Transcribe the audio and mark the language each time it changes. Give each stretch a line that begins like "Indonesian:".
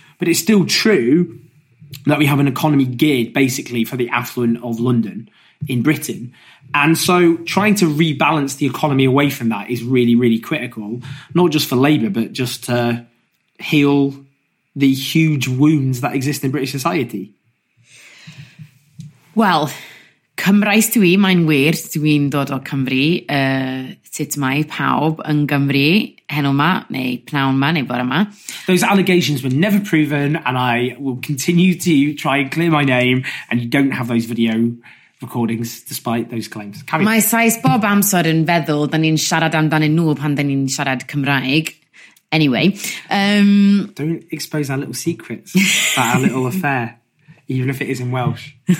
English: But it's still true that we have an economy geared basically for the affluent of London in Britain. And so trying to rebalance the economy away from that is really, really critical, not just for Labour, but just to heal the huge wounds that exist in British society.
Welsh: Well, Cymraes tu i, mae'n wir, dwi'n dod o Cymru, sut mae pawb yn Gymru, heno ma, neu pnawn ma, neu bore ma.
English: Those allegations were never proven, and I will continue to try and clear my name, and you don't have those video recordings despite those claims.
Welsh: Mae sais bob amser yn feddwl dan ni'n siarad amdanyn nhw pan dan ni'n siarad Cymraeg.
English: Anyway. Don't expose our little secrets, that our little affair, even if it is in Welsh.